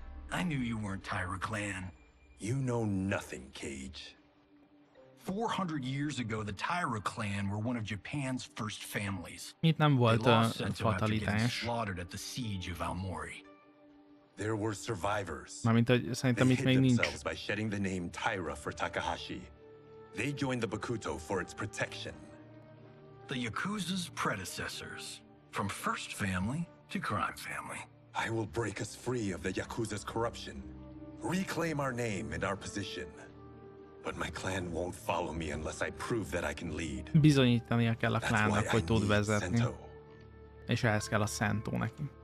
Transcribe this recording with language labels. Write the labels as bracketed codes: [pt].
[en] I knew you weren't Tyra Clan. You know nothing, Cage. 400 years ago, the Tyra Clan were one of Japan's first families. [hu] Itt nem volt fatalitás. [en] Slaughtered at the siege of Aomori. There were survivors. [hu] Mármint, hogy szerintem itt még nincs. [en] They hid themselves by shedding the name Tyra for Takahashi. They joined the Bakuto for its protection. The Yakuza's predecessors, from first family to crime family. I will break us free of the Yakuza's corruption, reclaim our name and our position. But my clan won't follow me unless I prove that I can lead. [hu] Bizonyítania kell a klánnak, hogy tud vezetni. És ehhez kell a Szentó neki.